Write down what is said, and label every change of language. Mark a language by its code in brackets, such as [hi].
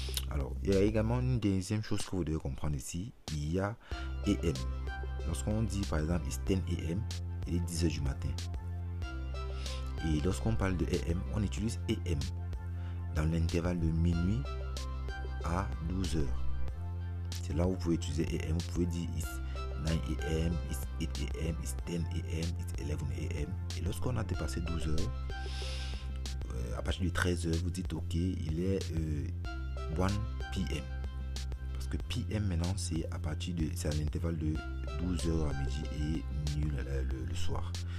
[fr] Alors, il y a également une deuxième chose que vous devez comprendre ici, il y a AM. Lorsqu'on dit par exemple [en] it's 10 a.m., [fr] il est 10h du matin. Et lorsqu'on parle de AM, on utilise AM dans l'intervalle de minuit à 12h. C'est là où vous pouvez utiliser AM. Vous pouvez dire [en] it's 9 a.m., it's 8 a.m., it's 10 a.m., it's 11 a.m. [fr] Et lorsqu'on a dépassé 12h, à partir de 13h, vous dites ok, il est 1 p.m. Parce que PM maintenant c'est à l'intervalle de 12h à midi et minuit le soir.